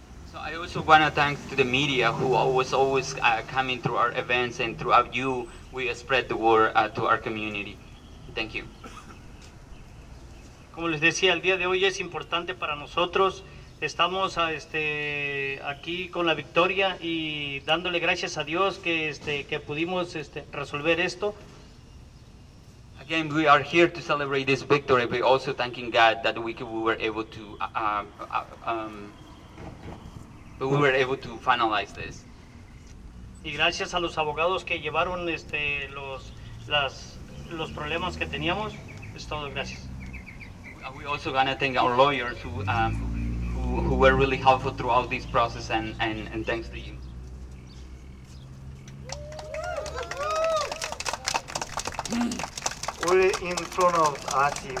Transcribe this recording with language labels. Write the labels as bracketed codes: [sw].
[en] So I also want to thank to the media who always coming through our events, and throughout you we spread the word to our community. Thank you. [es] Como les decía, el día de hoy es importante para nosotros. Estamos aquí con la victoria y dándole gracias a Dios que pudimos resolver esto. [en] Again, we are here to celebrate this victory, but also thanking God that we were able to finalize this. [es] Y gracias a los abogados que llevaron los problemas que teníamos. Es todo, gracias. [en] We also gonna thank our lawyers who were really helpful throughout this process, and thanks to you. We're in front of ASI.